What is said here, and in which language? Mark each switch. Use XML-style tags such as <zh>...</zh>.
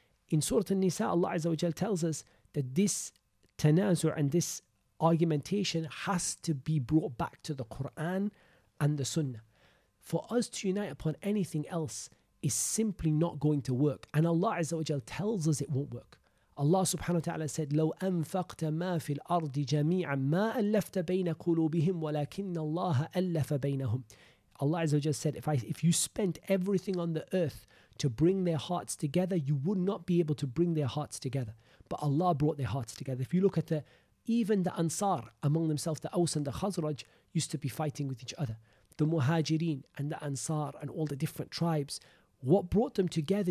<en>In Surah Al-Nisa, Allah Azza wa Jal tells us that this tanazu' and this argumentation has to be brought back to the Quran and the Sunnah. For us to unite upon anything else is simply not going to work. And Allah Azza wa Jal tells us it won't work. Allah subhanahu wa ta'ala said,</en> <ar>لو أنفقت ما في الأرض جميعا ما ألفت بين قلوبهم ولكن الله ألف بينهم.</ar> <en>Allah Azza wa Jal said, if you spent everything on the earth to bring their hearts together, you would not be able to bring their hearts together. But Allah brought their hearts together. If you look at even the Ansar among themselves, the Aus and the Khazraj used to be fighting with each other. The Muhajireen and the Ansar and all the different tribes, what brought them together?</en>